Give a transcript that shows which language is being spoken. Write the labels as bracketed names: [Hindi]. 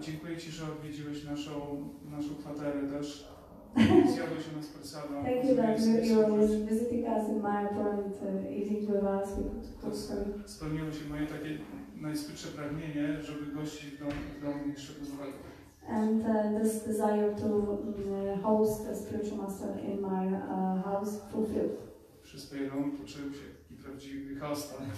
[Polish] Dziękuję ci, że odwiedziłeś naszą kwaterę też. [English] Thank you that you are visiting us in my apartment, eating with us. [Polish] Spełniło się moje takie najsłodsze pragnienie, żeby gości w domu jeszcze pozwolić. [English] And this desire to host a spiritual master in my house fulfilled. [Polish] Przez pewien moment poczułem się taki prawdziwy hosta.